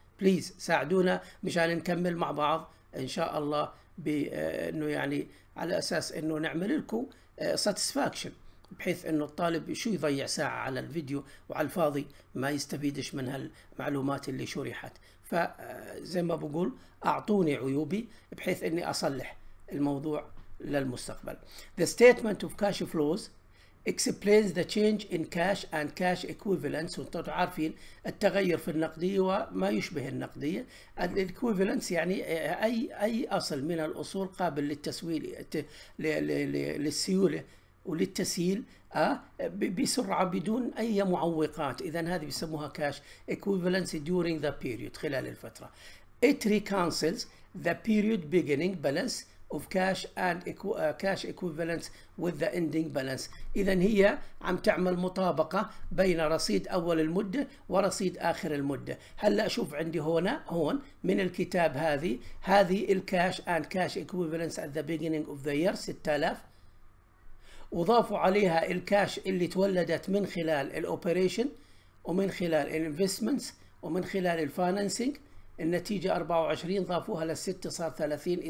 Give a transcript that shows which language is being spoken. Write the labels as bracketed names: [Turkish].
[Arabic] بليز ساعدونا مشان نكمل مع بعض إن شاء الله، بأنه يعني على أساس أنه نعمل لكم ساتسفاكشن، بحيث أنه الطالب شو يضيع ساعة على الفيديو وعلى الفاضي ما يستفيدش من هالمعلومات اللي شرحت. فزي ما بقول أعطوني عيوبي بحيث أني أصلح الموضوع للمستقبل. [English] The statement of cash flows explains the change in cash and cash equivalents. [Arabic] وانتوا عارفين التغير في النقدية وما يشبه النقدية. الإكويفالنس يعني أي أصل من الأصول قابل للسيولة وللتسهيل بسرعة بدون أي معوقات. إذا هذه بيسموها كاش [English] equivalency during the period، [Arabic] خلال الفترة. [English] It recancels the period beginning balance of cash and cash equivalents with the ending balance. [Arabic] إذا هي عم تعمل مطابقة بين رصيد أول المدة ورصيد آخر المدة. هلا أشوف عندي هنا هون من الكتاب هذه الكاش [English] and cash equivalents at the beginning of the year [Arabic] 6000، وضافوا عليها الكاش اللي تولدت من خلال الاوبريشن ومن خلال الانفستمنتس ومن خلال الفاينانسينج، النتيجة 24 ضافوها للستة صار 30.